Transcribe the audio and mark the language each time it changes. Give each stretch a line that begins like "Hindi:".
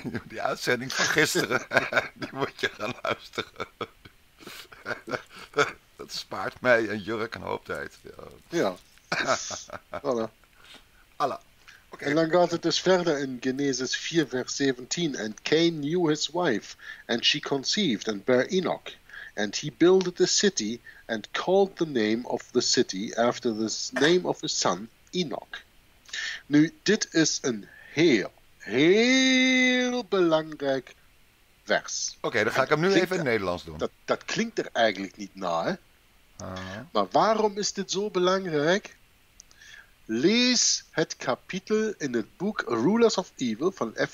Dutch: Die uitzending van gisteren. Die moet je gaan luisteren. Dat spaart mij en Jurk een hoop tijd. Ja. Voilà. Voilà. Okay. En dan gaat het dus verder in Genesis 4, vers 17.
English: And Cain knew his wife, and she conceived and bare Enoch. And he builded a city, and called the name of the city after the name of his son, Enoch.
Dutch: Nu, dit is een heel, heel belangrijk vers. Oké, dan ga ik hem nu even in het Nederlands doen. Dat klinkt er eigenlijk niet naar. Maar waarom is dit zo belangrijk? Lees het kapitel in het boek Rulers of Evil van F.